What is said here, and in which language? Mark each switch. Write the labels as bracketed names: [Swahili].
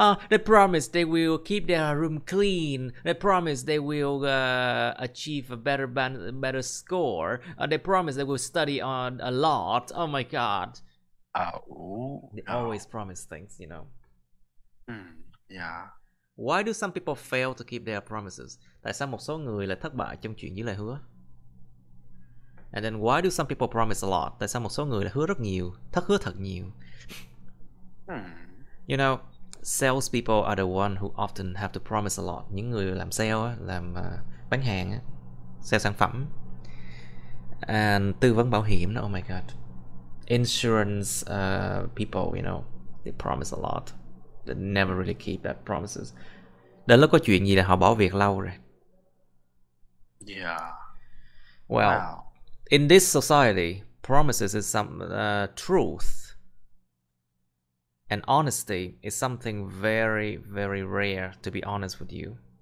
[English] They promise they will keep their room clean. They promise they will achieve a better score. They promise they will study on a lot. Oh my God. Oh, They always no. promise things, you know. Yeah. Why do some people fail to keep their promises? [Vietnamese] Tại sao một số người lại thất bại trong chuyện giữ lời hứa? [English] And then why do some people promise a lot? [Vietnamese] Tại sao một số người lại hứa rất nhiều, thất hứa thật nhiều? [English] You know, sales people are the one who often have to promise a lot. [Vietnamese] Những người làm sale, làm bán hàng, sale sản phẩm. And tư vấn bảo hiểm, [English] oh my God. Insurance people, you know, they promise a lot. They never really keep that promises. [Vietnamese] Đến lúc có chuyện gì là họ bỏ việc lâu rồi. [English] Well, in this society, promises is some truth. And honesty is something very, very rare, to be honest with you.